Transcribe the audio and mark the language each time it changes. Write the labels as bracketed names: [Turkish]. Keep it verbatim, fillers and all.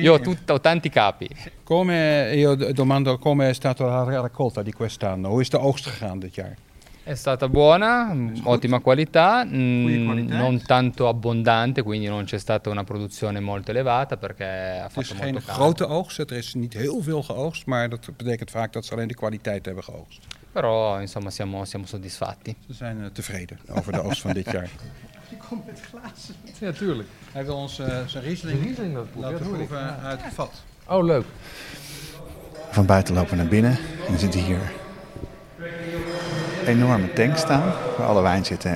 [Italian] Io ho, tut- ho tanti capi. Come, io domando come è stata la raccolta di quest'anno, [Dutch] hoe is de oogst gegaan dit jaar? [Italian] È stata buona, ottima qualità, mh, non tanto abbondante, quindi non c'è stata una produzione molto elevata perché ha fatto molto [Dutch] Het is geen [Italian] caldo. [Dutch] Grote oogst, er is niet heel veel geoogst, maar dat betekent vaak dat ze alleen de kwaliteit hebben geoogst. [Italian] Però insomma siamo, siamo soddisfatti. [Dutch] Ze zijn uh, tevreden over de oogst van dit jaar. Je komt met glazen. Ja, tuurlijk. Hij wil ons uh, zijn Riesling, Riesling dat laten ja, proeven uh, uit het vat. Oh, leuk. Van buiten lopen we naar binnen en zitten hier enorme tanks staan waar alle wijn zitten.